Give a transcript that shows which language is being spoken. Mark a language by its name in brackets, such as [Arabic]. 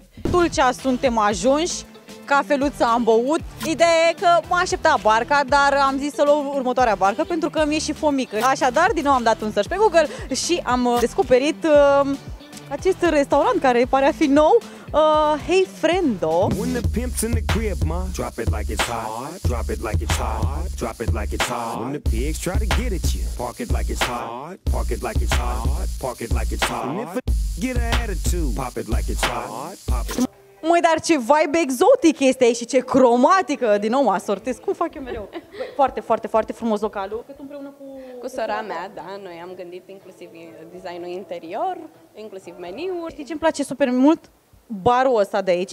[Romanian] Tulcea suntem ajunși, cafeluța am băut. Ideea e că mă aștepta barca, dar am zis să luăm următoarea barcă pentru că mi-e și fomică. Așadar, din nou am dat un search pe Google și am descoperit acest restaurant care pare a fi nou. [English] Hey Friendo. When the pimp's in the crib, ma, drop it like it's hot, drop it like it's hot, drop it like it's hot. When the pigs try to get at you, park it like it's hot, park it like it's hot, park it like it's hot. And if a get a attitude, pop it like it's hot, pop it. [Romanian] Măi, dar ce vibe exotic este aici și ce cromatică! Din nou mă asortez, cum fac eu mereu? Băi, foarte, foarte, foarte frumos localul. Cât împreună cu sora mea, da, noi am gândit inclusiv designul interior, inclusiv meniul. Știi ce îmi place super mult? Barul ăsta de aici.